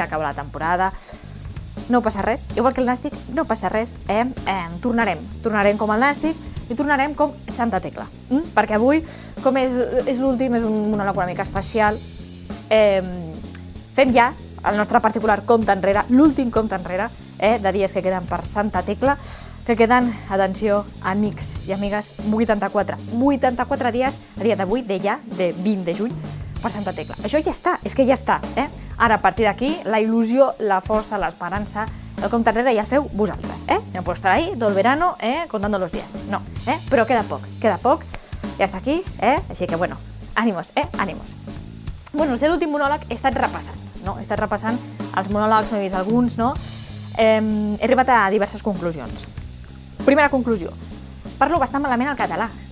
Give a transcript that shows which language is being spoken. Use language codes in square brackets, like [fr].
[ca] Acaba la temporada, no passa res, igual que el Nàstic, no passa res, tornarem com el Nàstic i tornarem com Santa Tecla, perquè avui, com és l'últim, és un monòleg una mica especial, fem ja el nostre particular compte enrere, l'últim compte enrere de dies que queden per Santa Tecla, que queden, atenció, amics i amigues, 84 dies a dia d'avui, de ja, de 20 de juny, per Santa Tecla. Això ja està, és que ja està. Ara, a partir d'aquí, la il·lusió, la força, l'esperança, el compte enrere ja el feu vosaltres. Ja podeu estar [es] ahí, del verano, contando los días. [ca] No, però queda poc, ja està aquí, així que, bueno, ànimos, ànimos. Bueno, el seu últim monòleg he estat repassant, no? He estat repassant els monòlegs, m'he vist alguns, no? He arribat a diverses conclusions. Primera conclusió, parlo bastant malament el català.